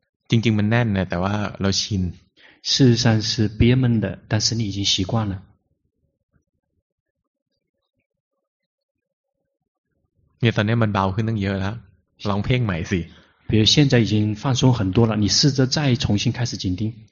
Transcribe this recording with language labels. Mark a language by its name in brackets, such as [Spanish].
[Thai] จริงๆมันแน่นนะแต่ว่าเราชิน [Chinese] 事实上是憋闷的但是你已经习惯了 [Thai] เนี่ยตอนนี้มันเบาขึ้นตั้งเยอะแล้วลองเพ่งใหม่สิ [Chinese] 比如现在已经放松很多了你试着再重新开始紧盯